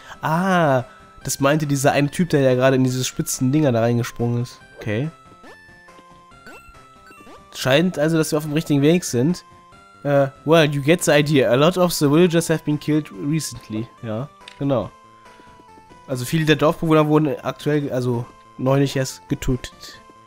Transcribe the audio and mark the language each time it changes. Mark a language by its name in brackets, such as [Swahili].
[German] Ah, das meinte dieser eine Typ, der ja gerade in diese spitzen Dinger da reingesprungen ist. Okay. Scheint also, dass wir auf dem richtigen Weg sind. [English] Well, you get the idea. A lot of the villagers have been killed recently. [German] Ja, genau. Also viele der Dorfbewohner wurden aktuell, also neulich erst getötet.